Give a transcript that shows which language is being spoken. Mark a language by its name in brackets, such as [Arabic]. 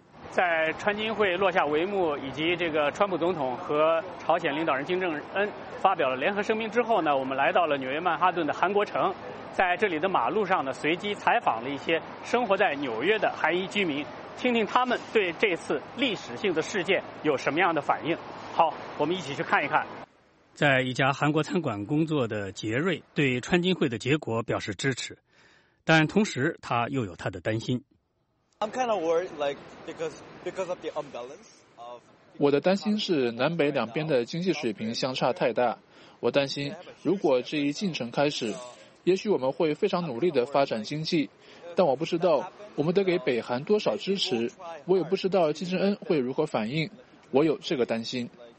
[Chinese] 在川金会落下帷幕，以及这个川普总统和朝鲜领导人金正恩发表了联合声明之后呢，我们来到了纽约曼哈顿的韩国城，在这里的马路上呢，随机采访了一些生活在纽约的韩裔居民，听听他们对这次历史性的事件有什么样的反应。好，我们一起去看一看。在一家韩国餐馆工作的杰瑞对川金会的结果表示支持，但同时他又有他的担心。 [English] I'm kind of worried, like, because of the imbalance of. [Chinese] 我的担心是南北两边的经济水平相差太大。我担心，如果这一进程开始，也许我们会非常努力地发展经济，但我不知道我们得给北韩多少支持，我也不知道金正恩会如何反应，我有这个担心。